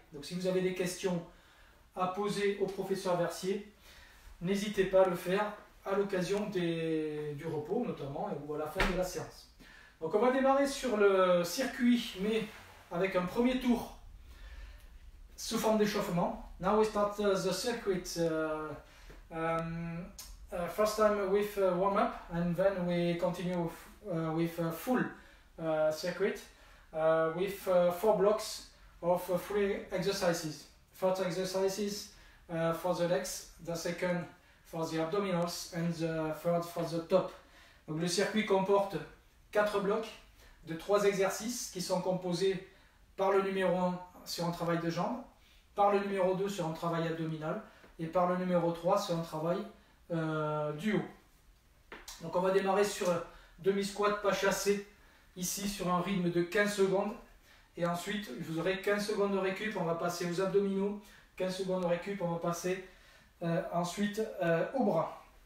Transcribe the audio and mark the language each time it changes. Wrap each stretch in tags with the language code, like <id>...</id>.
<fr>Donc si vous avez des questions à poser au professeur Versier, n'hésitez pas à le faire à l'occasion du repos notamment, ou à la fin de la séance. Donc on va démarrer sur le circuit, mais avec un premier tour sous forme d'échauffement.</fr> <en>Now we start the circuit. First time with warm-up, and then we continue with full circuit with four blocks of three exercises. First exercises for the legs, the second for the abdominals, and the third for the top.</en> <fr>Donc le circuit comporte 4 blocs de 3 exercices qui sont composés par le numéro 1 sur un travail de jambes, par le numéro 2 sur un travail abdominal et par le numéro 3 sur un travail du haut. Donc on va démarrer sur demi-squat pas chassé ici sur un rythme de 15 secondes et ensuite vous aurez 15 secondes de récup, on va passer aux abdominaux, 15 secondes de récup, on va passer ensuite au bras.</fr>